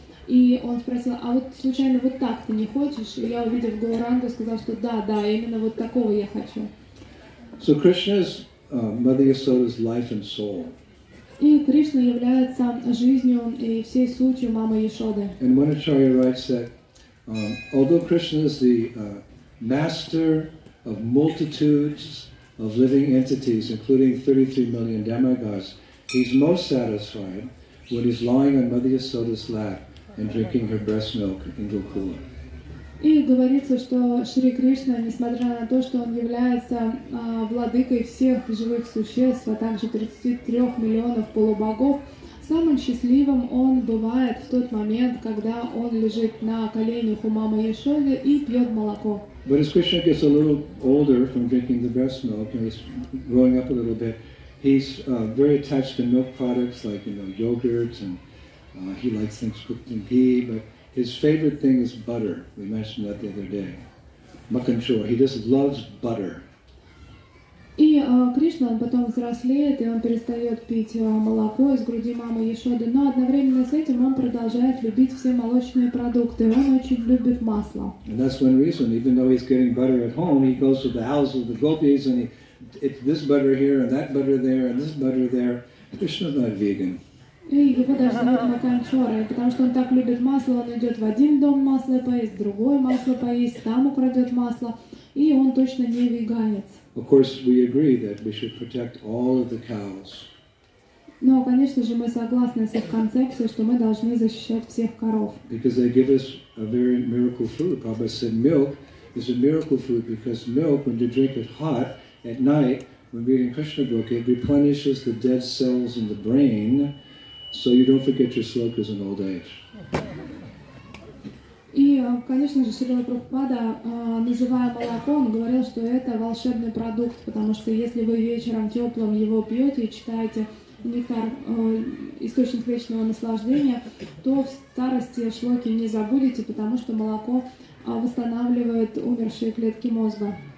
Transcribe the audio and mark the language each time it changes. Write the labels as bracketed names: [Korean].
[Russian] И он спросил, а вот случайно вот так ты не хочешь? И я, увидев Гауранга, сказал, что да, именно вот такого я хочу. [English] So Krishna's, Mother Yasoda's life and soul. [Russian] И Кришна является жизнью и всей сутью Мамы Яшоды. [English] And one acharya writes that, although Krishna is the master of multitudes of living entities, including 33 million demigods, he's most satisfied when he's lying on Mother Yasoda's lap and drinking her breast milk in Gokula. [Russian] И говорится, что Шри Кришна, несмотря на то, что он является владыкой всех живых существ, а также 33 миллионов полубогов, самым счастливым он бывает в тот момент, когда он лежит на коленях у мамы Яшоды и пьет молоко. [English] But as Krishna gets a little older from drinking the breast milk, and he's growing up a little bit, he's very attached to milk products, like, you know, yogurts, and he likes things cooked in ghee, but his favorite thing is butter. We mentioned that the other day. Makanchur. He just loves butter. [Russian] И Кришна, он потом взрослеет, и он перестает пить молоко из груди мамы Яшоды, но одновременно с этим он продолжает любить все молочные продукты. Он очень любит масло. [English] And that's one reason. Even though he's getting butter at home, he goes to the house of the gopis, and it's this butter here, and that butter there, and this butter there. Krishna's not vegan. [Russian] И его даже зовут Маканчора, потому что он так любит масло, он идет в один дом масло поесть, в другое масло поесть, там украдет масло, и он точно не веганец. [English] Of course, we agree that we should protect all of the cows. [Russian] Но, конечно же, мы согласны с их концепцией, что мы должны защищать всех коров. [English] Because they give us a very miracle food. Prabhupada said milk is a miracle food because milk, when you drink it hot at night, when reading Krishna book, it replenishes the dead cells in the brain so you don't forget your slokas in old age. [Russian] И, конечно же, Шрила Прабхупада называя молоко, он говорил, что это волшебный продукт, потому что если вы вечером теплым его пьете и читаете нектар, источник вечного наслаждения, то в старости шлоки не забудете, потому что молоко восстанавливает умершие клетки мозга.